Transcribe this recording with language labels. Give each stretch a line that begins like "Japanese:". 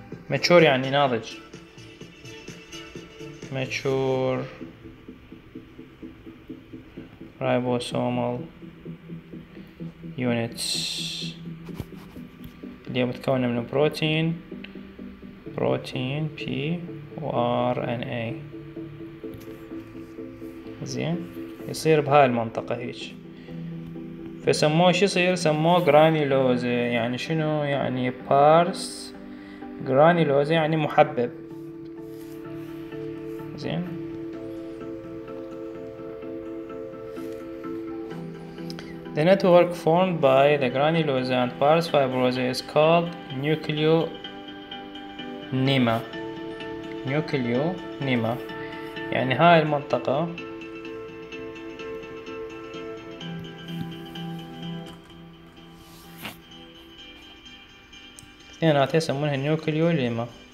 Arabic: ماتشور يعني ناضج،
English: mature ribosomal units
Arabic: اللي هي متكونة من بروتين، بروتين بي و ار ان اي. زين، يصير بهاي المنطقة هيك، فسموه شو يصير؟ سموه جرانيلوز. يعني شنو؟ يعني بارس جرانيلوز يعني محبب.
English: زين، The network formed by the granulosa and pars fibrosa is called nucleonema. Nucleonema.
Arabic: يعني هاي المنطقة اثنيناتها يسمونها nucleonema.